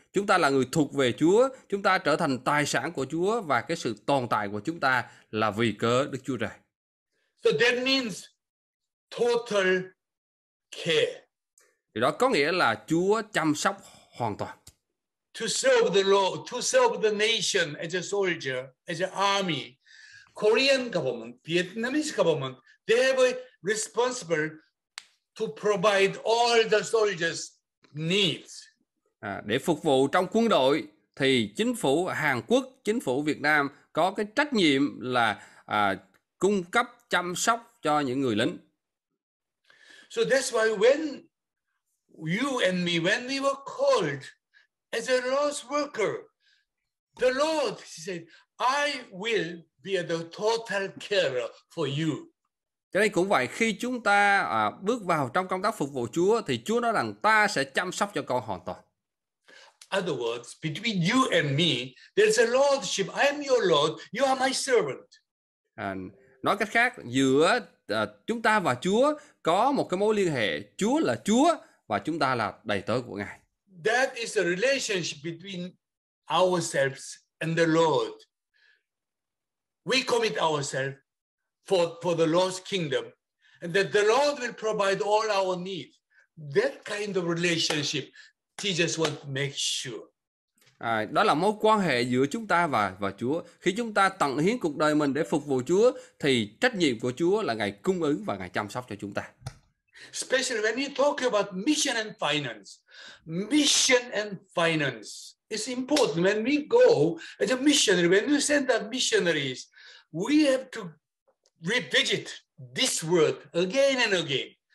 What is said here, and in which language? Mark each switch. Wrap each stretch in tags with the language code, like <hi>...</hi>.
<vi>Chúng ta là người thuộc về Chúa, chúng ta trở thành tài sản của Chúa và cái sự tồn tại của chúng ta là vì cớ Đức Chúa Trời.</vi> <en>So that means total care.</en> <vi>Thì đó có nghĩa là Chúa chăm sóc hoàn toàn.</vi> <en>To serve the Lord, to serve the nation as a soldier, as an army. Korean government, Vietnamese government, they have a responsible to provide all the soldiers needs.</en> <vi>Để phục vụ trong quân đội thì chính phủ Hàn Quốc, chính phủ Việt Nam có cái trách nhiệm là cung cấp chăm sóc cho những người lính.</vi> <en>So that's why when you and me, when we were called as a Lord's worker, the Lord said, I will be the total carer for you.</en> <vi>Cho nên cũng vậy, khi chúng ta bước vào trong công tác phục vụ Chúa thì Chúa nói rằng ta sẽ chăm sóc cho con hoàn toàn.</vi> <en>Other words, between you and me, there's a lordship. I am your Lord, you are my servant.</en> <vi>Nói cách khác, giữa chúng ta và Chúa có một cái mối liên hệ. Chúa là Chúa và chúng ta là đầy tớ của Ngài.</vi> <en>That is a relationship between ourselves and the Lord. We commit ourselves for the Lord's kingdom, and that the Lord will provide all our needs. That kind of relationship, Jesus wants to make sure.</en> <vi>Đó là mối quan hệ giữa chúng ta và Chúa. Khi chúng ta tận hiến cuộc đời mình để phục vụ Chúa, thì trách nhiệm của Chúa là Ngài cung ứng và Ngài chăm sóc cho chúng ta.</vi> <en>Especially when you talk about mission and finance. Mission and finance is important. When we go as a missionary, when we send out missionaries, we have to revisit this word again and again.</en>